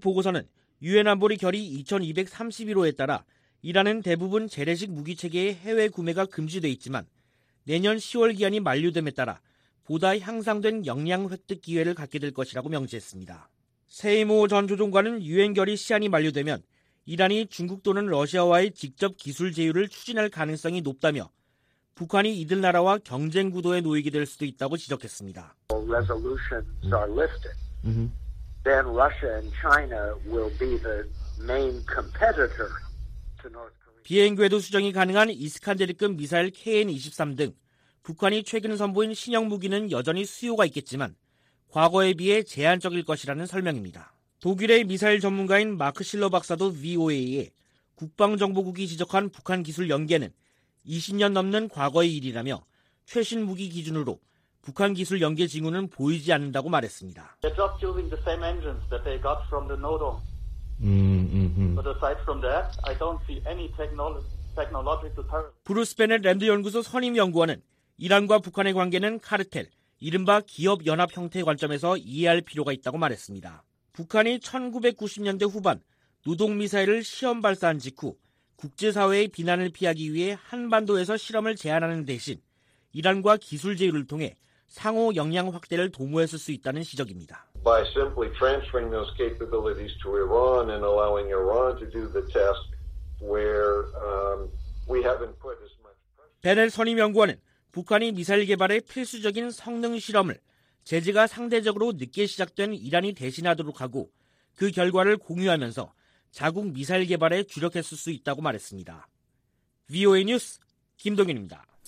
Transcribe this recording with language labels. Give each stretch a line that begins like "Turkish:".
Korean: 보고서는 유엔 안보리 결의 2231호에 따라 이란은 대부분 재래식 무기체계의 해외 구매가 금지돼 있지만 내년 10월 기한이 만료됨에 따라 보다 향상된 역량 획득 기회를 갖게 될 것이라고 명시했습니다. 세이모 전 조종관은 유엔 결의 시한이 만료되면 이란이 중국 또는 러시아와의 직접 기술 제휴를 추진할 가능성이 높다며 북한이 이들 나라와 경쟁 구도에 놓이게 될 수도 있다고 지적했습니다.
English: Then Russia and China will be the main competitor to North Korea.
Korean: 비행 궤도 수정이 가능한 이스칸데르급 미사일 KN-23 등 북한이 최근 선보인 신형 무기는 여전히 수요가 있겠지만 과거에 비해 제한적일 것이라는 설명입니다. 독일의 미사일 전문가인 마크 실러 박사도 VOA에 국방정보국이 지적한 북한 기술 연계는 20년 넘는 과거의 일이라며 최신 무기 기준으로 북한 기술 연계 징후는 보이지 않는다고 말했습니다. 브루스 베넷 랜드 연구소 선임 연구원은 이란과 북한의 관계는 카르텔, 이른바 기업 연합 형태의 관점에서 이해할 필요가 있다고 말했습니다. 북한이 1990년대 후반 노동미사일을 시험 발사한 직후 국제사회의 비난을 피하기 위해 한반도에서 실험을 제한하는 대신 이란과 기술 제휴를 통해 상호 역량 확대를 도모했을 수 있다는 지적입니다.
English: By simply transferring those capabilities to Iran and allowing Iran to do the task where we haven't put as much pressure.
Korean: 베넷 선임 연구원은 북한이 미사일 개발에 필수적인 성능 실험을 제재가 상대적으로 늦게 시작된 이란이 대신하도록 하고 그 결과를 공유하면서 자국 미사일 개발에 주력했을 수 있다고 말했습니다. VOA 뉴스 김동윤입니다.